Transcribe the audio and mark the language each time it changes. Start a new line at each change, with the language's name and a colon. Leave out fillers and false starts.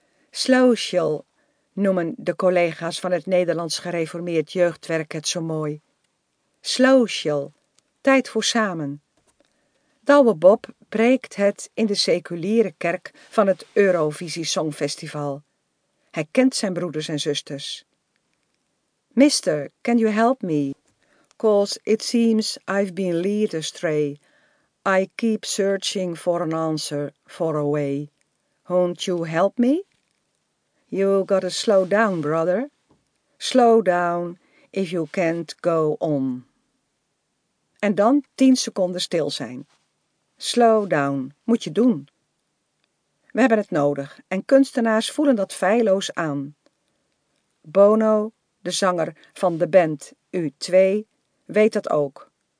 Dutch: Slow chill noemen de collega's van het Nederlands Gereformeerd Jeugdwerk het zo mooi. Slow chill, tijd voor samen. Douwe Bob preekt het in de seculiere kerk van het Eurovisie Songfestival. Hij kent zijn broeders en zusters.
English: Mister, can you help me? 'Cause it seems I've been led astray. I keep searching for an answer far away. Won't you help me? You gotta slow down, brother. Slow down if you can't go on.
Dutch: En dan 10 seconden stil zijn. Slow down, moet je doen. We hebben het nodig en kunstenaars voelen dat feilloos aan. Bono, de zanger van de band U2, weet dat ook.